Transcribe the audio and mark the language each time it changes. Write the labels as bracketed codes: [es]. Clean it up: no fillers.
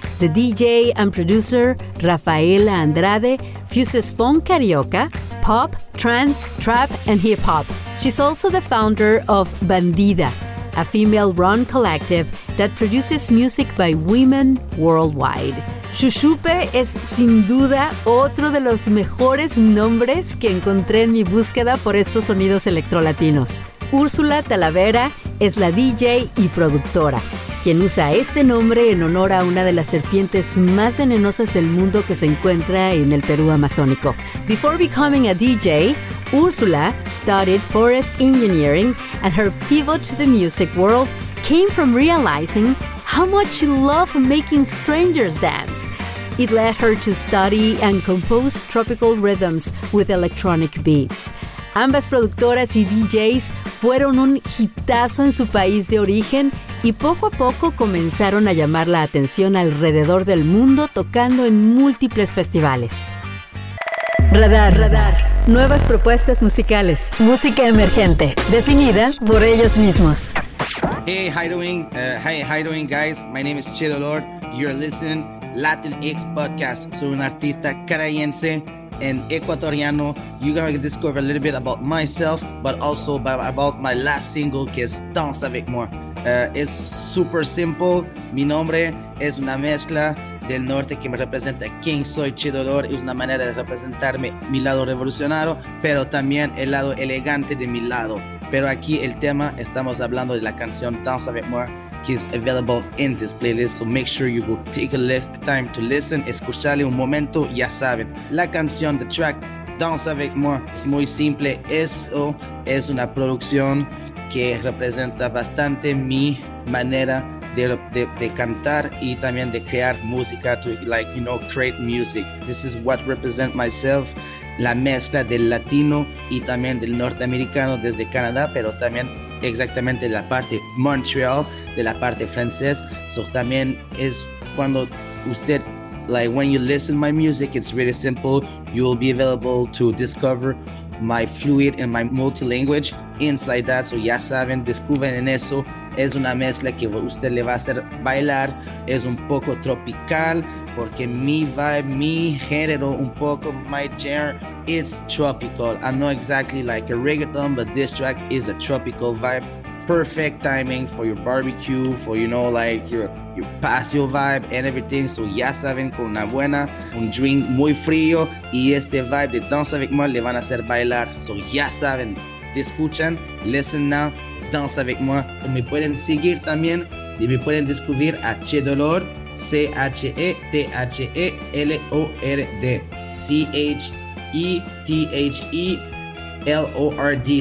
[en] The DJ and producer Rafaela Andrade fuses funk, carioca, pop, trance, trap, and hip-hop. She's also the founder of Bandida, a female-run collective that produces music by women worldwide. [es] Chuchupe es sin duda otro de los mejores nombres que encontré en mi búsqueda por estos sonidos electrolatinos. Úrsula Talavera es la DJ y productora, quien usa este nombre en honor a una de las serpientes más venenosas del mundo que se encuentra en el Perú amazónico. [en] Before becoming a DJ, Úrsula studied forest engineering and her pivot to the music world came from realizing how much she loved making strangers dance. It led her to study and compose tropical rhythms with electronic beats. [es] Ambas productoras y DJs fueron un hitazo en su país de origen y poco a poco comenzaron a llamar la atención alrededor del mundo tocando en múltiples festivales. Radar, radar. Nuevas propuestas musicales. Música emergente, definida por ellos mismos. [en] Hey, how you doing? Hey, how you doing, guys? My name is Chido Lord. You're listening Latinx Podcast. [es] Soy un artista caraense [en] and [es] ecuatoriano. [en] You're going to discover a little bit about myself, but also about my last single, [es] que es Danza Vic More. Es super simple. Mi nombre es una mezcla del norte que me representa quién soy, Chido Lord. Es una manera de representarme mi lado revolucionario, pero también el lado elegante de mi lado. Pero aquí el tema, estamos hablando de la canción Dance a Bit More, que es [en] available in this playlist, so make sure you will take a time to listen, [es] escucharle un momento, ya saben. La canción, [en] the track Dance a Bit More, [es] es muy simple, eso es una producción que representa bastante mi manera de cantar y también de crear música, [en] to like, you know, create music. This is what represent myself. [es] La mezcla del latino y también del norteamericano desde Canadá, pero también exactamente la parte Montreal, de la parte francés. [en] So [es] también es cuando usted, [en] like when you listen my music, it's really simple. You will be available to discover my fluid and my multilingual inside that. [es] So ya saben, descubren en eso. Es una mezcla que usted le va a hacer bailar. Es un poco tropical porque mi vibe, mi género, un poco [en] my genre, it's tropical. I'm not exactly like a reggaeton, but this track is a tropical vibe. Perfect timing for your barbecue, for, you know, like your pasio vibe and everything. [es] So ya saben, con una buena, un drink muy frío y este vibe de Danza Vic More le van a hacer bailar. So ya saben, escuchen, [en] listen now. [es] Danza Vic More, o me pueden seguir también y me pueden descubrir a Chido Lord, C-H-E-T-H-E-L-O-R-D, C-H-E-T-H-E-L-O-R-D.